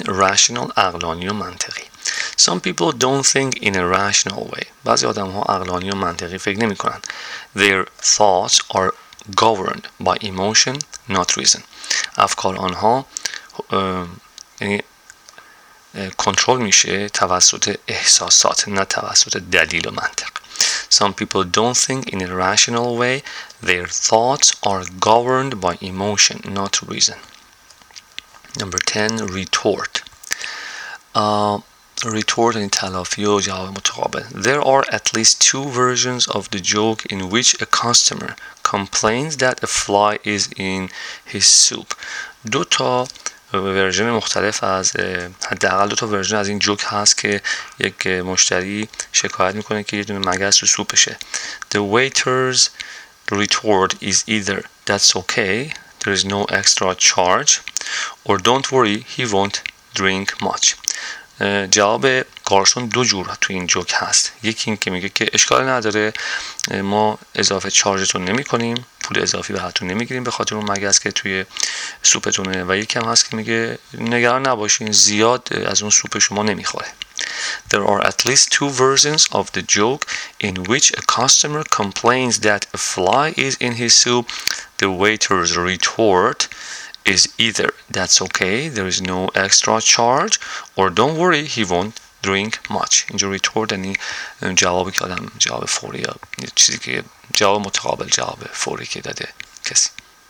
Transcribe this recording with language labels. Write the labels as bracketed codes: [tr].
[fa] Rational، عقلانی و منطقی. [en] Some people don't think in a rational way. [fa] بعضی آدم ها عقلانی و منطقی فکر نمی کنند. [en] Their thoughts are governed by emotion, not reason. [fa] افکار آنها کنترل میشه توسط احساسات نه توسط دلیل و منطق. [en] Some people don't think in a rational way. Their thoughts are governed by emotion, not reason. Number 10, retort. [fa] Retort یعنی تلافی و جواب متقابل. [en] There are at least two versions of the joke in which a customer complains that a fly is in his soup. [fa] دو تا ورژن مختلف از حداقل دو تا ورژن از این جوک هست که یک مشتری شکایت میکنه که یه دونه مگس تو سوپشه. [en] The waiter's retort is either that's okay, there is no extra charge, or don't worry, he won't drink much. [fa] جواب گارسون دو جور تو این جوک هست. یکی این که میگه که اشکال نداره، ما اضافه چارجتون نمی کنیم، پول اضافی به حتون نمی گیریم به خاطر اون مگس که توی سوپتونه، و یکی هم هست که میگه نگران نباشین، زیاد از اون سوپ شما نمی خوره. [en] There are at least two versions of the joke in which a customer complains that a fly is in his soup. The waiter's retort is either that's okay, there is no extra charge, or don't worry, he won't drink much. [fa] اینجا retort یعنی جوابی که آدم جواب فوری یا چیزی که جواب متقابل جواب فوری که داده کسی.